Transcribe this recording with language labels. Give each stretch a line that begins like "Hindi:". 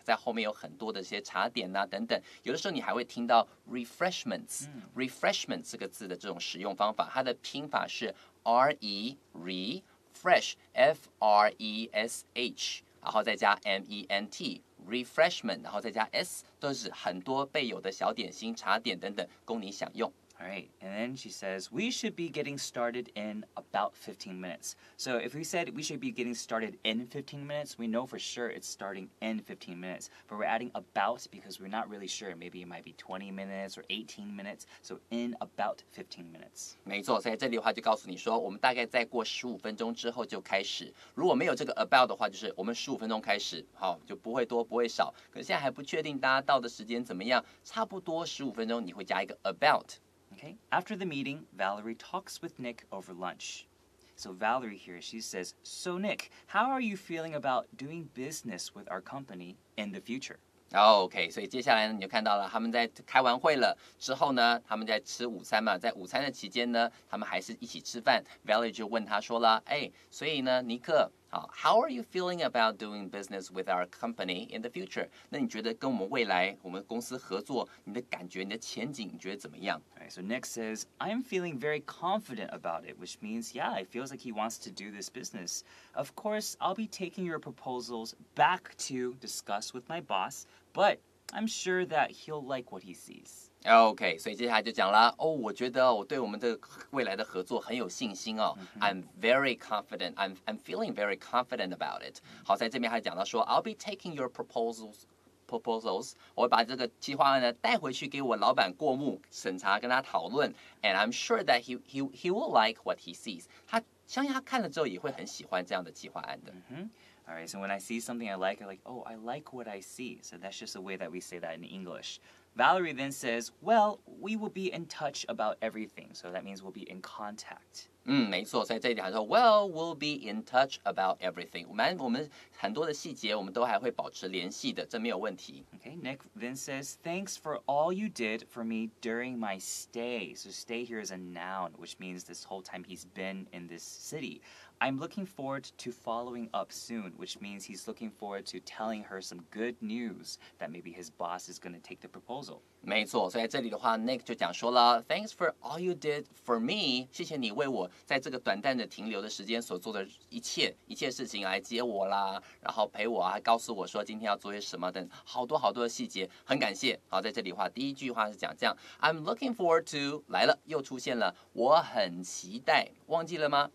Chinese: 在后面有很多的一些茶点啊等等，有的时候你还会听到Refreshments, refreshments 这个字的这种使用方法，它的拼法是 refresh, f r e s h， 然后再加 m e n t, refreshment， 然后再加 s， 都是很多备有的小点心、茶点等等，供你享用。
English: All right, and then she says we should be getting started in about 15 minutes. So if we said we should be getting started in 15 minutes, we know for sure it's starting in 15 minutes. But we're adding about because we're not really sure. Maybe it might be 20 minutes or 18 minutes. So in about 15 minutes.
Chinese: 没错，在这里的话就告诉你说，我们大概再过15分钟之后就开始。如果没有这个 about 的话，就是我们15分钟开始，好，就不会多，不会少。可是现在还不确定大家到的时间怎么样，差不多15分钟，你会加一个 about。
English: Okay, after the meeting, Valerie talks with Nick over lunch. So Valerie here, she says, So Nick, how are you feeling about doing business with our company in the future?
Chinese: OK, 所以接下来呢你就看到了他们在开完会了之后呢他们在吃午餐嘛在午餐的期间呢他们还是一起吃饭 Valerie 就问他说了哎，所以呢尼克好
English: How are you feeling about doing business with our company in the future?
Chinese: 那你觉得跟我们未来我们公司合作你的感觉你的前景你觉得怎么样
English: Alright, so Nick says I'm feeling very confident about it which means yeah, it feels like he wants to do this business Of course, I'll be taking your proposals back to discuss with my bossBut I'm sure that he'll like what he sees.
Chinese: Okay, 所以接下来就讲了哦，我觉得我对我们的未来的合作很有信心哦。
English: I'm very confident. I'm feeling very confident about it.
Chinese: 好，在这边还讲到说 ，
English: I'll be taking your proposals.
Chinese: 我把这个计划呢带回去给我老板过目审查，跟他讨论。
English: And I'm sure that he will like what he sees.
Chinese: 他相信他看了之后也会很喜欢这样的计划案的。
English: Alright, so when I see something I like, I'm like, oh, I like what I see. So that's just a way that we say that in English. Valerie then says, well, we will be in touch about everything. So that means we'll be in contact.
Chinese: 没错，所以这一点还说
English: ，Well, we'll be in touch about everything.
Chinese: 我们很多的细节，我们都还会保持联系的，这没有问题。
English: Okay, Nick then says, "Thanks for all you did for me during my stay." So stay here is a noun, which means this whole time he's been in this city. I'm looking forward to following up soon, which means he's looking forward to telling her some good news that maybe his boss is going to take the proposal.
Chinese: 没错，所以在这里的话 ，Nick 就讲说了 ，
English: Thanks for all you did for me.
Chinese: 谢谢你为我在这个短暂的停留的时间所做的一切事情，来接我啦，然后陪我啊，告诉我说今天要做些什么等好多好多的细节，很感谢。好，在这里的话，第一句话是讲这样 ，
English: I'm looking forward to
Chinese: 来了，又出现了，我很期待，忘记了吗？